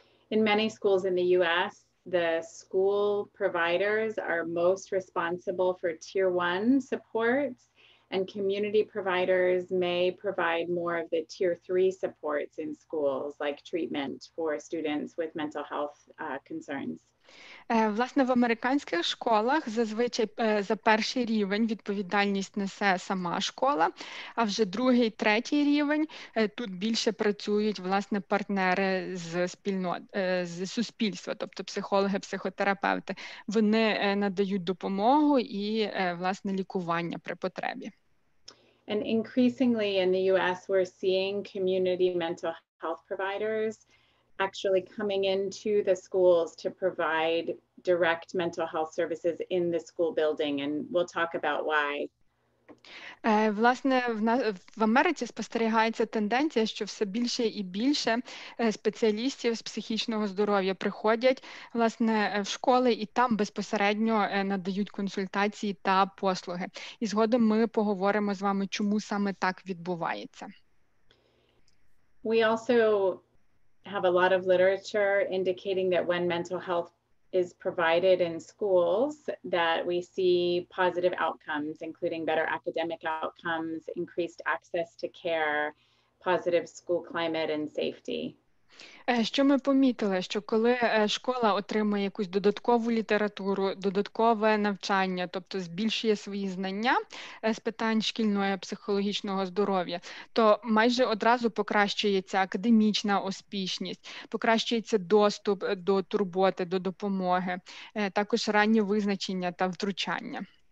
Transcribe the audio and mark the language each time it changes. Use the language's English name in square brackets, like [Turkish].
[English] In many schools in the US, the school providers are most responsible for tier one supports, and community providers may provide more of the tier three supports in schools, like treatment for students with mental health concerns. [Ukrainian] Власне, в американських школах зазвичай за перший рівень відповідальність несе сама школа, а вже другий, третій рівень тут більше працюють власне партнери з спільнот, з суспільства, тобто психологи, психотерапевти. Вони надають допомогу і власне лікування при потребі. [English] And increasingly in the US we're seeing community mental health providers actually coming into the schools to provide direct mental health services in the school building, and we'll talk about why. [Ukrainian] Власне, в Америці спостерігається тенденція, що все більше і більше спеціалістів з психічного здоров'я приходять власне в школи і там безпосередньо надають консультації та послуги. І згодом ми поговоримо з вами, чому саме так відбувається. [English] We also have a lot of literature indicating that when mental health is provided in schools, that we see positive outcomes, including better academic outcomes, increased access to care, positive school climate and safety. [Ukrainian] Що ми помітили, що коли школа отримує якусь додаткову літературу, додаткове навчання, тобто збільшує свої знання з питань шкільного психологічного здоров'я, то майже одразу покращується академічна успішність, покращується доступ до турботи, до допомоги, також раннє визначення та втручання.